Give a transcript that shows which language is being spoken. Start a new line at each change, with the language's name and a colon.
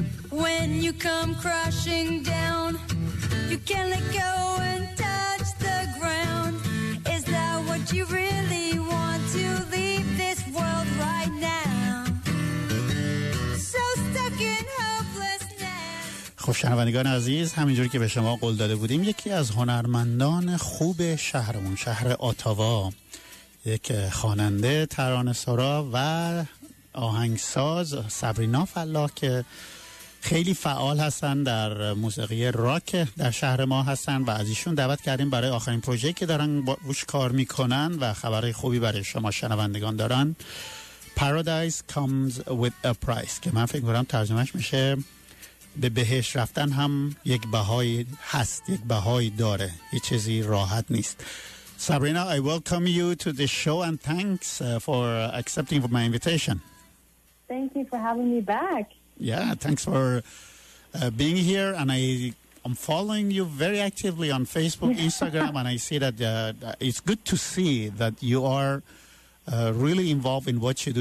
English: When you come crashing down, you can't let go and touch the ground. Is that what you really want, to leave this world right now? So stuck in hopelessness.
Persian: خب شنوندگان عزیز، همینجوری که به شما قول داده بودیم، یکی از هنرمندان خوب شهرمون، شهر اتاوا، یک خواننده ترانه‌سرا و آهنگساز سابرینا فلاح که خیلی فعال هستن در موسیقی راک در شهر ما هستن و از ایشون دعوت کردیم برای آخرین پروژه‌ای که دارن روش کار میکنن و خبرای خوبی برای شما شنوندگان دارن.
English: Paradise comes with a price
Persian: که من فکر می‌کنم ترجمهش میشه به بهشت رفتن هم یک بهایی هست، یک بهایی داره، یه چیزی راحت نیست.
English: Sabrina, I welcome you to the show and thanks for accepting for my invitation. Thank you for having me back. Yeah, thanks for being here. And I'm following you very actively on Facebook, Instagram, and I see that it's good to see that you are really involved in what you do.